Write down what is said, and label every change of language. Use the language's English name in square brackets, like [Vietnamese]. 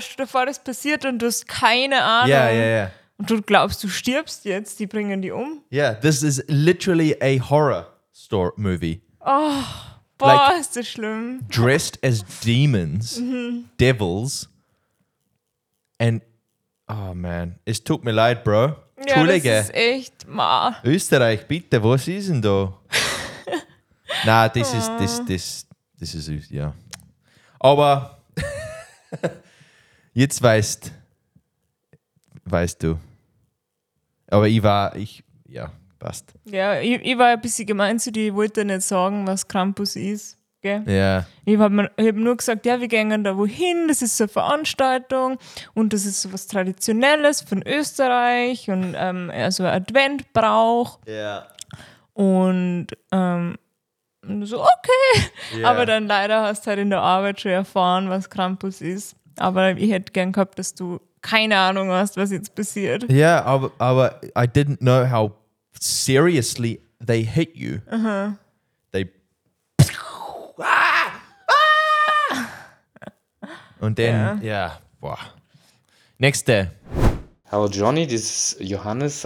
[German] Stell dir vor, das passiert und du hast keine Ahnung. [English] Yeah, yeah, yeah. [German] Und du glaubst, du stirbst jetzt, die bringen die um. [English] Yeah, this is literally a horror store movie. [German] Oh, boah, [English] like, [German] ist das schlimm. [English] Dressed as demons, devils, and, oh man, [German] es tut mir leid, [English] bro. [German] Ja, Entschuldige. Das ist echt, ma. Österreich, bitte, was ist denn da? [English] Nah, this is, this is, [German] ja. [English] Yeah. [German] Aber, jetzt weißt du. Aber ja, passt. Ja, ich war ein bisschen gemein zu dir, ich wollte nicht sagen, was Krampus ist, gell? Ja. Ich hab nur gesagt, ja, wir gehen da wohin, das ist so eine Veranstaltung und das ist so was Traditionelles von Österreich und so ein Adventbrauch. Ja. Und, so, okay. [English] Yeah. [German] Aber dann leider hast du halt in der Arbeit schon erfahren, was Krampus ist. Aber ich hätte gern gehabt, dass du keine Ahnung hast, was jetzt passiert. Ja, [English] yeah, [German] aber [English] I didn't know how seriously they hit you. [German] Und dann, ja, boah. Nächste. [English] Hello, Johnny, this is Johannes.